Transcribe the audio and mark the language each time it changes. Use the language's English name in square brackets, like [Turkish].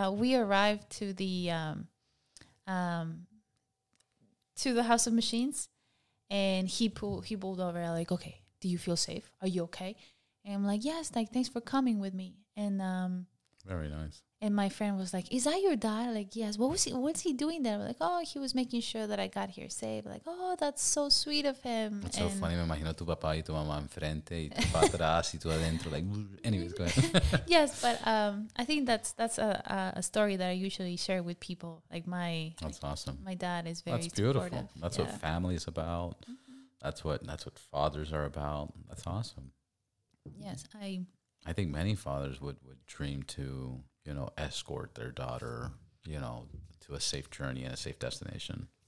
[English] We arrived to the House of Machines, and he pulled over. I'm like, okay, do you feel safe? Are you okay? And I'm like, yes, like, thanks for coming with me. And very nice. And my friend was like, is that your dad? Like, yes. What's he doing there? I'm like, oh, he was making sure that I got here safe. Like, oh, that's so sweet of him. It's so funny. [Spanish] Me imagino tu papá y tu mamá enfrente y tu papá atrás y tu adentro. [English] Like, anyways, go ahead. Yes, but I think that's a story that I usually share with people. Like, that's awesome. My dad is very supportive. That's beautiful. Supportive. That's what family is about. Mm-hmm. That's what fathers are about. That's awesome. Yes, I think many fathers would dream to, you know, escort their daughter, you know, to a safe journey and a safe destination.